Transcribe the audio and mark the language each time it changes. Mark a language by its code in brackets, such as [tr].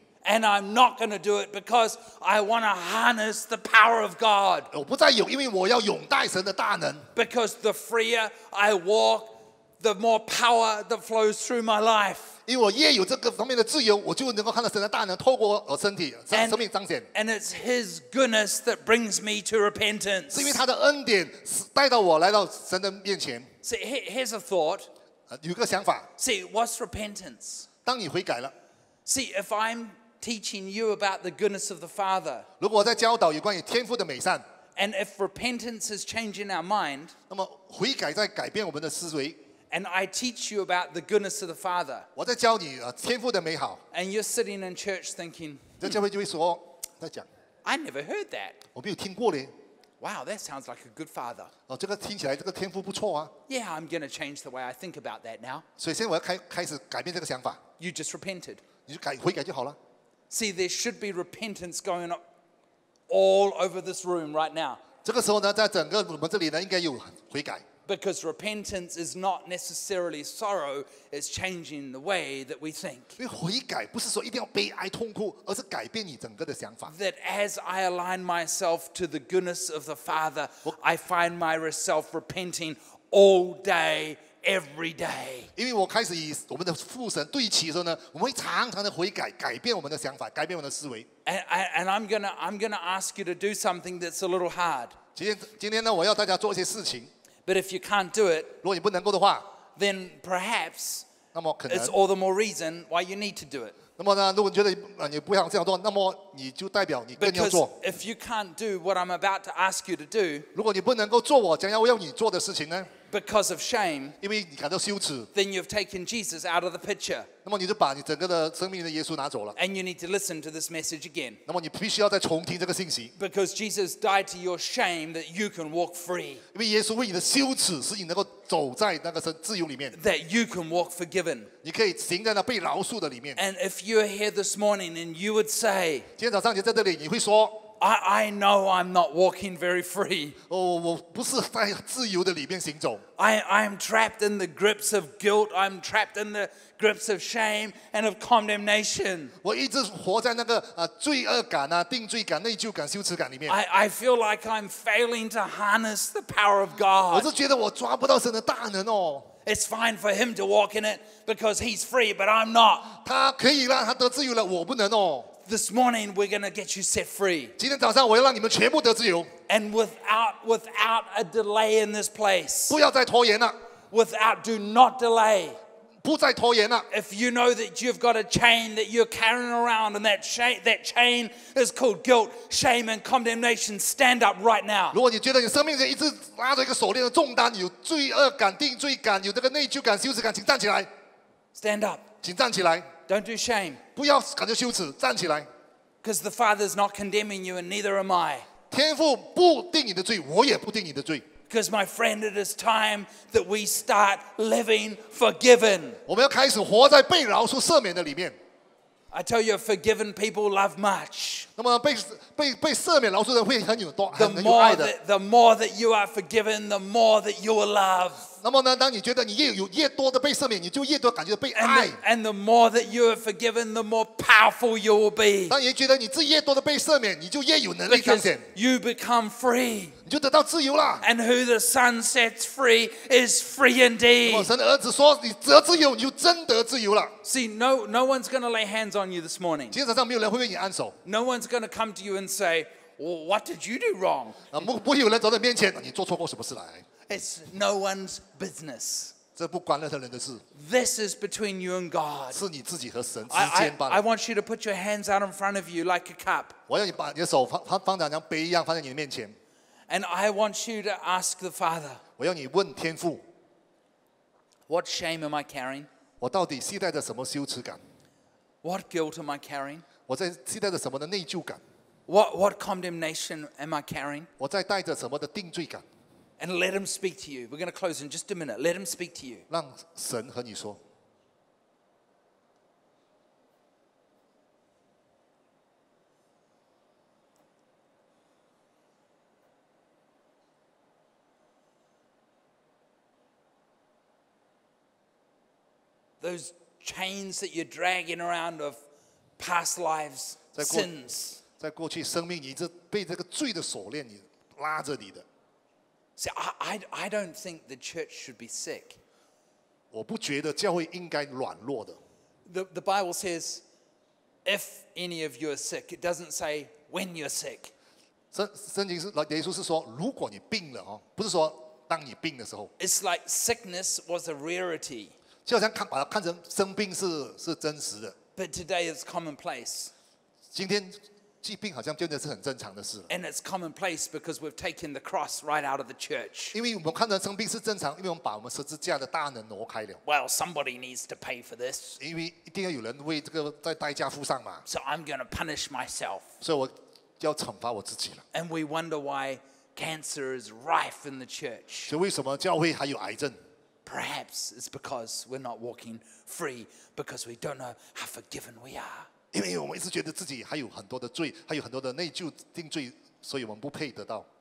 [en] And I'm not going to do it because I want to harness the power of God. [zh] 我不再有，因为我要拥戴神的大能。 [en] Because the freer I walk, the more power that flows through my life. [zh] 因为我越有这个方面的自由，我就能够看到神的大能透过我身体、生命彰显。 [en] And it's His goodness that brings me to repentance. [zh] 是因为他的恩典带到我来到神的面前。 [en] See, here's a thought. [zh] 有个想法。 [en] See, what's repentance? [zh] 当你悔改了。 [en] See, if I'm teaching you about the goodness of the Father. [zh] 如果我在教导有关于天父的美善。 [en] And if repentance is changing our mind. [zh] 那么悔改在改变我们的思维。 [en] And I teach you about the goodness of the Father. [zh] 我在教你天父的美好。 [en] And you're sitting in church thinking. [zh] 在教会就会说，在讲。 [en] I never heard that. [zh] 我没有听过咧。 [en] Wow, that sounds like a good father. [zh] 哦，这个听起来这个天父不错啊。 [en] Yeah, I'm going to change the way I think about that now. [zh] 所以现在我要开始改变这个想法。 [en] You just repented. [zh] 你就悔改就好了。 [en] See, there should be repentance going all over this room right now. [zh] 这个时候呢，在整个我们这里呢，应该有悔改。 [en] Because repentance is not necessarily sorrow; it's changing the way that we think. [zh] 因为悔改不是说一定要悲哀痛哭，而是改变你整个的想法。 [en] That as I align myself to the goodness of the Father, I find myself repenting all day. Every day, [zh] 因为我开始与我们的父神对齐的时候呢，我们会常常的悔改，改变我们的想法，改变我们的思维。 [en] And I'm gonna ask you to do something that's a little hard. [zh] 今天呢，我要大家做一些事情。 [en] But if you can't do it, [zh] 如果你不能够的话 [en] ，then perhaps, [zh] 那么可能 [en] it's all the more reason why you need to do it. [zh] 那么呢，如果你觉得你不想这样做，那么你就代表你更要做。 [en] Because if you can't do what I'm about to ask you to do, [zh] 如果你不能够做我将要你做的事情呢？ [en] because of shame, [zh] 因为你感到羞耻, [en] then you've taken Jesus out of the picture. [zh] 那么你就把你整个的生命的耶稣拿走了, [en] and you need to listen to this message again. [zh] 那么你必须要再重听这个信息, [en] because Jesus died to your shame that you can walk free. [zh] 因为耶稣为你的羞耻使你能够走在那个自由里面, [en] that you can walk forgiven. [zh] 你可以行在那被饶恕的里面, [en] and if you are here this morning and you would say, [zh] 今天早上你在这里你会说, [en] I know I'm not walking very free. [zh] 我不是在自由的里面行走。 [en] I'm trapped in the grips of guilt. I'm trapped in the grips of shame and of condemnation. [zh] 我一直活在那个罪恶感啊、定罪感、内疚感、羞耻感里面。 [en] I feel like I'm failing to harness the power of God. [zh] 我是觉得我抓不到神的大能哦。 [en] It's fine for him to walk in it because he's free, but I'm not. [zh] 他可以了，他得自由了，我不能哦。 [en] This morning we're going to get you set free. [zh] 今天早上我要让你们全部得自由。 [en] And without a delay in this place. [zh] 不要再拖延了。 [en] Without, do not delay. [zh] 不再拖延了。 [en] If you know that you've got a chain that you're carrying around, and that chain is called guilt, shame, and condemnation, stand up right now. [zh] 如果你觉得你生命中一直拉着一个锁链的重担，有罪恶感、定罪感，有这个内疚感、羞耻感，请站起来。 [en] Stand up. [zh] 请站起来。 [en] Don't do shame. [zh] 不要感觉羞耻，站起来。 [en] Because the Father is not condemning you, and neither am I. [zh] 天父不定你的罪，我也不定你的罪。 [en] Because my friend, it is time that we start living forgiven. [zh] 我们要开始活在被饶恕赦免的里面。 [en] I tell you, forgiven people love much. [zh] 那么被赦免饶恕的会很有多，很有爱的。 [en] The more that you are forgiven, the more that you will love. [zh] 那么呢？当你觉得你越多的被赦免，你就越多感觉被爱。 [en] And the more that you are forgiven, the more powerful you will be. [zh] 当你觉得你自越多的被赦免，你就越有能力彰显。 [en] Because you become free. [zh] 你就得到自由了。 [en] And who the Son sets free is free indeed. [zh] 如果神的儿子说你得自由，你就真得自由了。 [en] See, no one's going to lay hands on you this morning. [zh] 今天早上没有人会为你按手。 [en] No one's going to come to you and say, "What did you do wrong?" [zh] 不会有人走到面前，你做错过什么事来？ [en] It's no one's business. [zh] 这不关任何人的事。 [en] This is between you and God. [zh] 是你自己和神之间吧。 [en] I want you to put your hands out in front of you like a cup. [zh] 我要你把你的手放在像杯一样放在你的面前。 [en] And I want you to ask the Father. [zh] 我要你问天父。 [en] What shame am I carrying? [zh] 我到底携带着什么羞耻感 [en] ？What guilt am I carrying? [zh] 我在携带着什么的内疚感 [en] ？What condemnation am I carrying? [zh] 我在带着什么的定罪感？ [en] And let him speak to you. We're going to close in just a minute. Let him speak to you. [zh] 让神和你说。 [en] Those chains that you're dragging around of past lives, sins. [zh] 在过去生命，你这被这个罪的锁链，你拉着你的。 [en] See, I don't think the church should be sick. [zh] 我不觉得教会应该软弱的。 [en] The Bible says, if any of you are sick, it doesn't say when you're sick. [zh] 圣经是耶稣是说，如果你病了不是说当你病的时候。 [en] It's like sickness was a rarity. [zh] 就好像把它看成生病是真实的。 [en] But today it's commonplace. [zh] 今天。疾病好像真的是很正常的事了。 [en] And it's commonplace because we've taken the cross right out of the church. [zh] 因为我们看到生病是正常，因为我们把我们十字架的大能挪开了。 [en] Well, somebody needs to pay for this. [zh] 因为一定要有人为这个在代价付上嘛。 [en] So I'm going to punish myself. [zh] 所以我要惩罚我自己了。 [en] And we wonder why cancer is rife in the church. [zh] 所以为什么教会还有癌症？ [en] Perhaps it's because we're not walking free because we don't know how forgiven we are. [zh] 因为我们一直觉得自己还有很多的罪，还有很多的内疚、定罪，所以我们不配得到。